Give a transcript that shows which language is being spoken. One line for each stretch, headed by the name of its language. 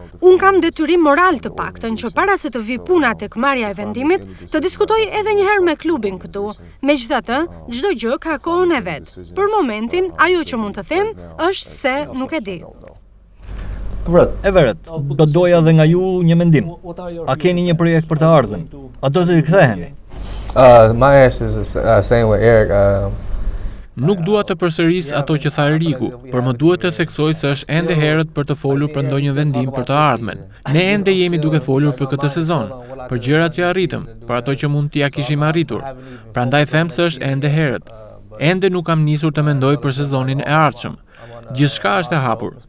Albanian: Unë kam detyrim moral të paktën që para se të vi puna tek marrja e vendimit, të diskutoj edhe një herë me klubin këtu. Megjithatë, çdo gjë ka kohën e vet. Për momentin, ajo që mund të them është se nuk e di. E vërtet, do doja edhe nga ju një mendim. A keni një projekt për të ardhmen? A do të rikthehemi?
English: My answer is the same with Eric.
Albanian: Nuk dua të përsëris ato që tha Eriku, por më duhet të theksoj se është ende herët për të folur për ndonjë vendim për të ardhmen. Ne ende jemi duke folur për këtë sezon, për gjërat që arritëm, për ato që mund t'ia kishim arritur. Prandaj them se është ende herët. Ende nuk kam nisur të mendoj për sezonin e ardhshëm. Gjithçka është e hapur.